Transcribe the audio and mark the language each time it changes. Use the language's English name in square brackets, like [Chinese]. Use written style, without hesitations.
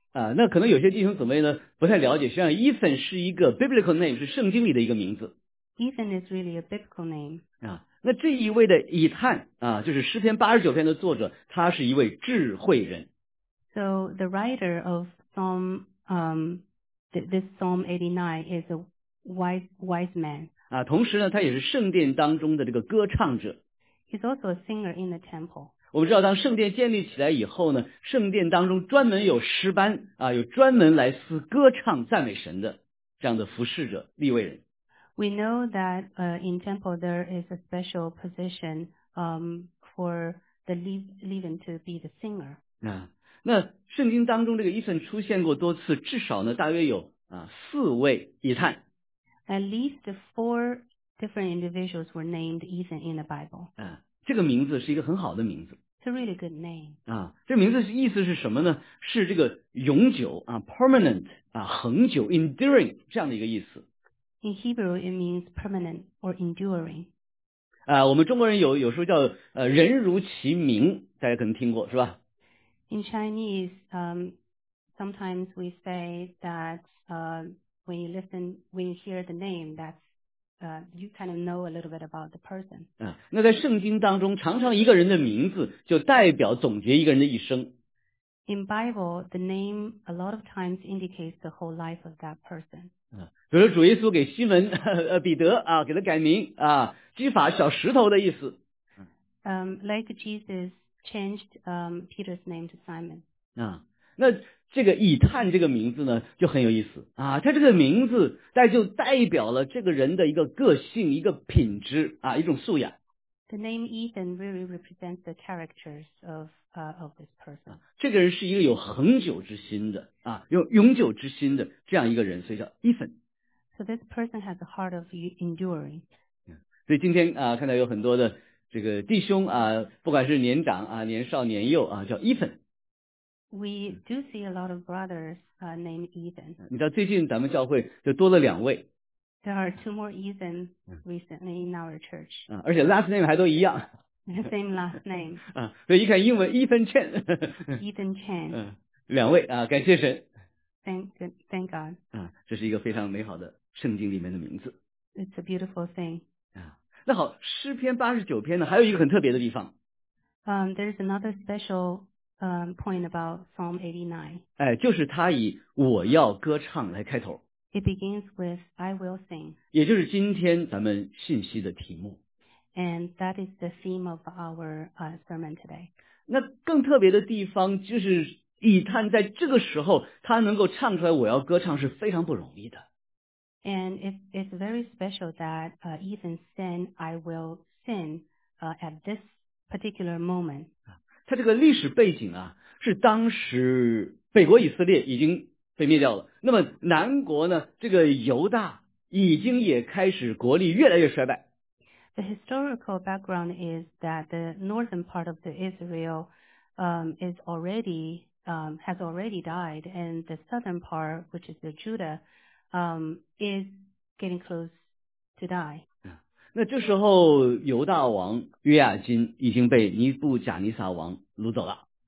[Chinese] 啊，那可能有些弟兄姊妹呢不太了解，实际上 Ethan 是一个 biblical name， 是圣经里的一个名字。 [English] Ethan is really a biblical name. [Chinese] 啊，那这一位的以探啊，就是诗篇89篇的作者，他是一位智慧人。 [English] So the writer of Psalm, this Psalm 89 is a wise man. [Chinese] 啊，同时呢，他也是圣殿当中的这个歌唱者。 [English] He's also a singer in the temple. [Chinese] 我们知道，当圣殿建立起来以后呢，圣殿当中专门有诗班啊，有专门来司歌唱赞美神的这样的服侍者立位人。 [English] We know that in temple there is a special position for the Levin to be the singer. [Chinese] 啊，那圣经当中这个以探出现过多次，至少呢大约有啊四位以探。 [English] At least four different individuals were named Ethan in the Bible. [Chinese] 啊，这个名字是一个很好的名字。 [English] It's a really good name. [Chinese] 啊，这名字意思是什么呢？是这个永久啊 ，permanent 啊，恒久 ，enduring 这样的一个意思。 [English] In Hebrew, it means permanent or enduring. [Chinese] 啊，我们中国人有时候叫人如其名，大家可能听过是吧 [English] ？In Chinese, sometimes we say that when you listen, when you hear the name, that's you kind of know a little bit about the person. [Chinese] 啊，那在圣经当中，常常一个人的名字就代表总结一个人的一生。 [English] In Bible, the name a lot of times indicates the whole life of that person. [Chinese] 啊，比如主耶稣给西门彼得啊，给他改名啊，基法小石头的意思。 [English] Like Jesus changed Peter's name to Simon. [Chinese] 啊，那这个以探这个名字呢就很有意思啊，他这个名字但就代表了这个人的一个个性，一个品质啊，一种素养。 [English] The name Ethan really represents the characters of this person. [Chinese] 这个人是一个有恒久之心的啊，有永久之心的这样一个人，所以叫 Ethan. [English] So this person has a heart of enduring. [Chinese] 所以今天啊，看到有很多的这个弟兄啊，不管是年长啊、年少、年幼啊，叫 Ethan. [English] We do see a lot of brothers named Ethan. [Chinese] 你知道最近咱们教会就多了两位。 [English] There are two more Ethan recently in our church. [Chinese] 啊，而且 last name 还都一样。 [English] The same last name. [Chinese] 啊，所以一看英文 Ethan Chen. [English] Ethan Chen. [Chinese] 嗯，两位啊，感谢神。 [English] Thank God. [Chinese] 啊，这是一个非常美好的圣经里面的名字。 [English] It's a beautiful thing. [Chinese] 啊，那好，诗篇八十九篇呢，还有一个很特别的地方。 [English] There's another special point about Psalm 89. [Chinese] 哎，就是他以我要歌唱来开头。 [English] It begins with "I will sing." [Chinese] 也就是今天咱们信息的题目。 [English] And that is the theme of our sermon today. [Chinese] 那更特别的地方就是以探在这个时候他能够唱出来我要歌唱是非常不容易的。 [English] And it's very special that Ethan sang "I will sing" at this particular moment. [Chinese] 他这个历史背景啊，是当时北国以色列已经被灭掉了，那么南国呢，这个犹大已经也开始国力越来越衰败。 [English] The historical background is that the northern part of the Israel has already died, and the southern part, which is the Judah, is getting close to die. [Chinese] 那这时候犹大王约雅金已经被尼布甲尼撒王掳走了。